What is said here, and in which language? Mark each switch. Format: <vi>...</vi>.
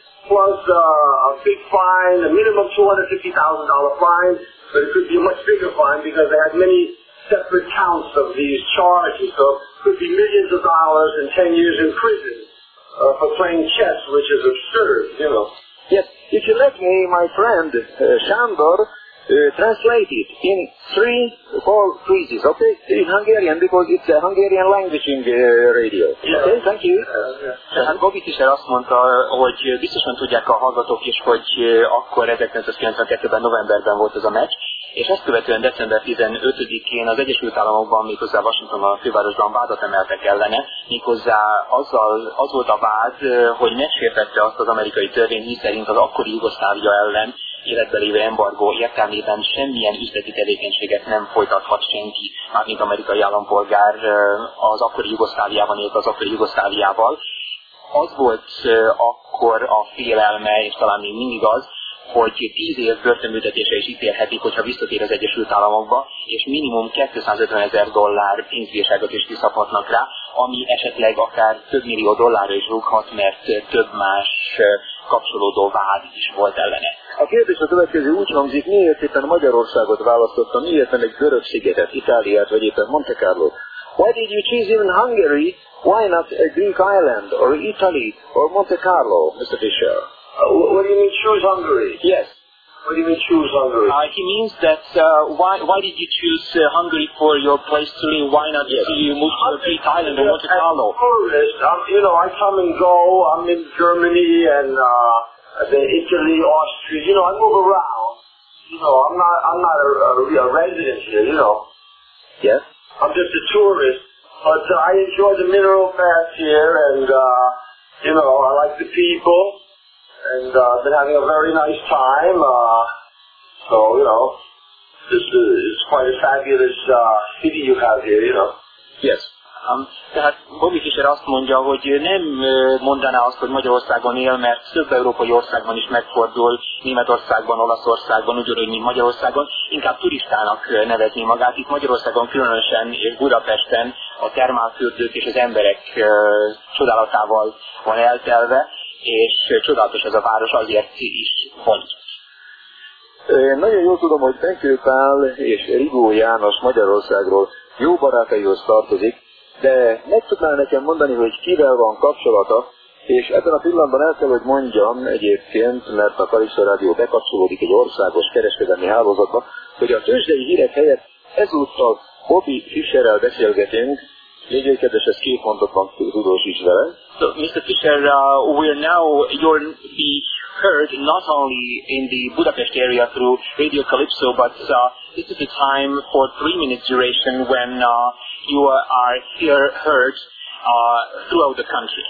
<en>Plus a big fine, a minimum $250,000 fine, but it could be a much bigger fine because they had many separate counts of these charges, so it could be millions of dollars and 10 years in prison for playing chess, which is absurd, you know. Yes, if you let me, my friend Sándor, translate it in three, four phrases, okay? In Hungarian, because it's a Hungarian language in the radio. Yeah. Okay, thank you.</en> <hu>Hát Bobby Fischer azt mondta, hogy biztosan tudják a hallgatók is, hogy akkor 1992-ben novemberben volt ez a meccs, és ezt követően december 15-én az Egyesült Államokban, méghozzá Washingtonban, a fővárosban vádat emeltek ellene, méghozzá azzal, az volt a vád, hogy megsértette azt az amerikai törvényt, miszerint az akkori Jugoszlávia ellen életbe lévő embargó értelmében semmilyen üzleti tevékenységet nem folytathat senki, mármint amerikai állampolgár az akkori Jugoszláviában élt az akkori Jugoszláviával. Az volt akkor a félelme, és talán még mindig az, hogy 10 év börtönbüntetése is ítélhetik, hogyha visszatér az Egyesült Államokba, és minimum $250,000 pénzbírságot is kiszabhatnak rá, ami esetleg akár több millió dollárra is rúghat, mert több más kapcsolódó vád is volt ellene. A kérdés a következő úgy hangzik, miért éppen Magyarországot választotta, miért nem egy görög szigetet, Itáliát, vagy éppen Monte Carlo-t?</hu> <en>Why did you choose even Hungary? Why not a Greek island, or Italy, or Monte Carlo, Mr. Fischer? What do you mean, choose Hungary? Yes. What do you mean choose Hungary? He means that why did you choose Hungary for your place to live? Why not just you move to a Greek island or Monte Carlo? I come and go. I'm in Germany and Italy, Austria. You know, I move around. You know, I'm not a resident here, you know. Yes? I'm just a tourist. But I enjoy the mineral baths here and, you know, I like the people. And I've been having a very nice time, it's quite a fabulous city you have here, you know. Yes.</en> <hu>Tehát Bobby Fischer azt mondja, hogy nem mondaná azt, hogy Magyarországon él, mert több európai országban is megfordul, Németországban, Olaszországban, ugyanúgy, mint Magyarországon, inkább turistának nevezni magát. Itt Magyarországon, különösen és Budapesten a termálfürdők és az emberek csodálatával van eltelve, és csodálatos ez a város, azért ti is mondjuk. Nagyon jól tudom, hogy Benkő Pál és Rigó János Magyarországról jó barátaihoz tartozik, de meg tudnál nekem mondani, hogy kivel van kapcsolata, és ebben a pillanatban el kell, hogy mondjam egyébként, mert a Kalisza Rádió bekapcsolódik egy országos kereskedelmi hálózatba, hogy a tőzsdei hírek helyett ezúttal Bobby Fischerrel beszélgetünk. Légy egy kedves, ezt két mondat van, tudósíts vele.</hu> <en>So, Mr. Fischer, you'll be heard not only in the Budapest area through Radio Calypso, but this is the time for 3 minutes duration when you are here heard throughout the country.</en>